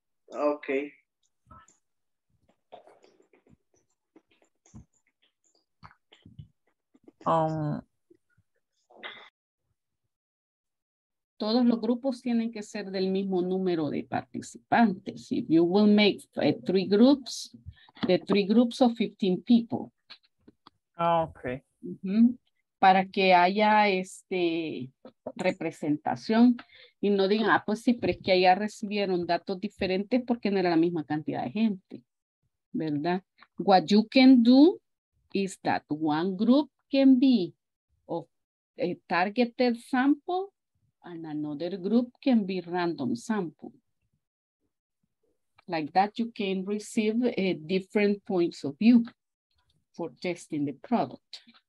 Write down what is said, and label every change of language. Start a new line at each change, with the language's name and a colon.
English: Okay.
Spanish: Todos los grupos tienen que ser del mismo número de participantes.
English: If you will make three groups, the three groups of 15 people. Ah, okay. Mm-hmm.
Spanish: Para que haya este representación y no digan, ah, pues sí, pero es que allá recibieron datos diferentes porque no era la misma cantidad de gente, ¿verdad?
English: What you can do is that one group can be of a targeted sample and another group can be random sample. Like that, you can receive different points of view for testing the product.